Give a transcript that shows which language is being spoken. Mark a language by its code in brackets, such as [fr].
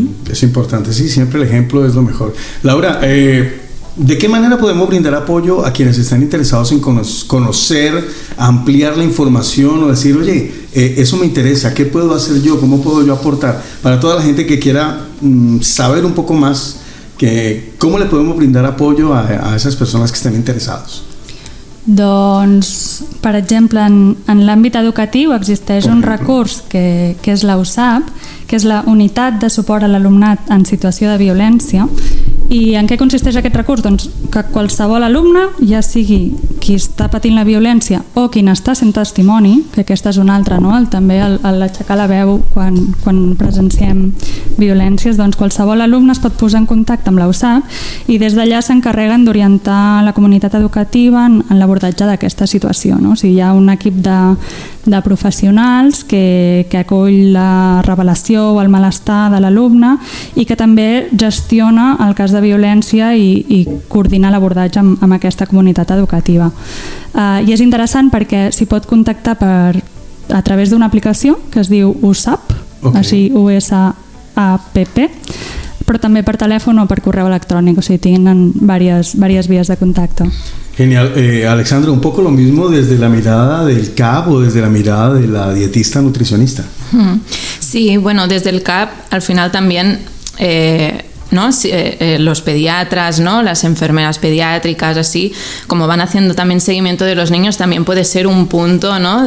[es] Es importante, sí, siempre el ejemplo es lo mejor. Laura, ¿de qué manera podemos brindar apoyo a quienes están interesados en conocer, ampliar la información o decir, oye, eso me interesa, ¿qué puedo hacer yo? ¿Cómo puedo yo aportar? Para toda la gente que quiera saber un poco más, ¿cómo le podemos brindar apoyo a esas personas que estén interesados? [ca] Doncs, per exemple, en l'àmbit educatiu existeix un recurs que és la USAP, que és la Unitat de Suport a l'Alumnat en Situació de Violència. I en què consisteix aquest recurs? Doncs que qualsevol alumne, ja sigui qui està patint la violència o qui n'està sent testimoni, que aquesta és una altra, no? També l'aixecar la veu quan presenciem violències, doncs qualsevol alumne es pot posar en contacte amb la USAP i des d'allà s'encarreguen d'orientar la comunitat educativa en l'abordatge d'aquesta situació, no? O sigui, hi ha un equip de professionals que acull la revelació o el malestar de l'alumne i que també gestiona el cas de violència i coordina l'abordatge amb aquesta comunitat educativa. I és interessant perquè s'hi pot contactar a través d'una aplicació que es diu USAP, okay. Així USAPP, però també per telèfon o per correu electrònic, o sigui, tenen diverses vies de contacte. Genial. [es] Alexandra, un poco lo mismo desde la mirada del CAP o desde la mirada de la dietista nutricionista. Sí, bueno, desde el CAP al final también ¿no? Los pediatras, ¿no? Las enfermeras pediátricas, así, como van haciendo también seguimiento de los niños, también puede ser un punto, ¿no?